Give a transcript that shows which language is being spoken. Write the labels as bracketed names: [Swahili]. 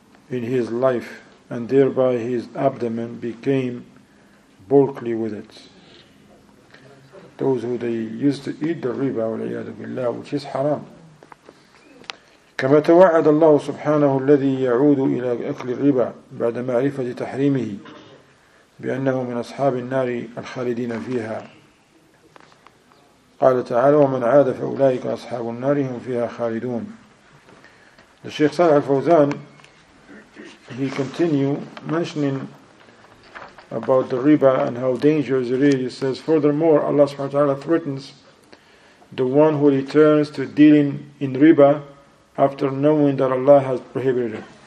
[English] In his life, and thereby his abdomen became bulky with it. Those who they used to eat the riba, which is haram. [Arabic] كما توعد الله سبحانه الذي يعود إلى أكل الربا بعد معرفة تحريمه بأنه من أصحاب النار الخالدين فيها. قال تعالى ومن عاد فأولئك أصحاب النار هم فيها خالدون. [English] الشيخ صالح الفوزان he continued mentioning about the riba and how dangerous it is. He says furthermore Allah subhanahu wa ta'ala threatens the one who returns to dealing in riba after knowing that Allah has prohibited it.